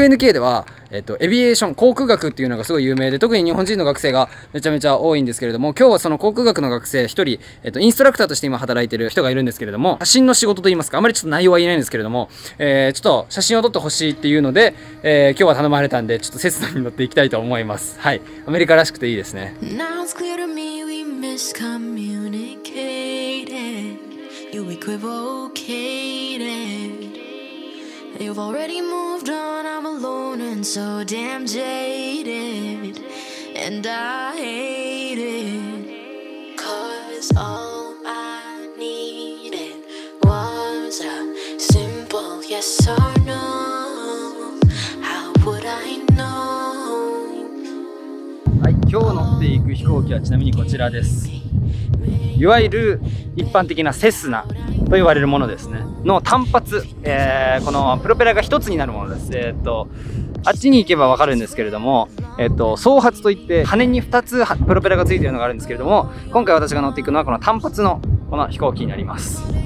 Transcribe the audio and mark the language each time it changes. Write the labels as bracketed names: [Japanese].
[Japanese] UNK ではエビエーション航空学っていうのがすごい有名で、特に日本人の学生がめちゃめちゃ多いんですけれども、今日はその航空学の学生一人、インストラクターとして今働いてる人がいるんですけれども、写真の仕事と言いますか、あまりちょっと内容は言えないんですけれども、ちょっと写真を撮ってほしいっていうので、今日は頼まれたんで、ちょっとセスナに乗っていきたいと思います。はい、アメリカらしくていいですね。 [English] Now it's clear to me we miscommunicated You equivocatedYou've already moved on, I'm alone and so damn jaded And I hate it Cause all I needed was a simple yes or no How would I know? [Japanese] はい、今日乗っていく飛行機はちなみにこちらです。いわゆる一般的なセスナと言われるものですね、の単発、このプロペラが一つになるものです。あっちに行けばわかるんですけれども、双発といって羽に二つプロペラがついているのがあるんですけれども、今回私が乗っていくのはこの単発のこの飛行機になります。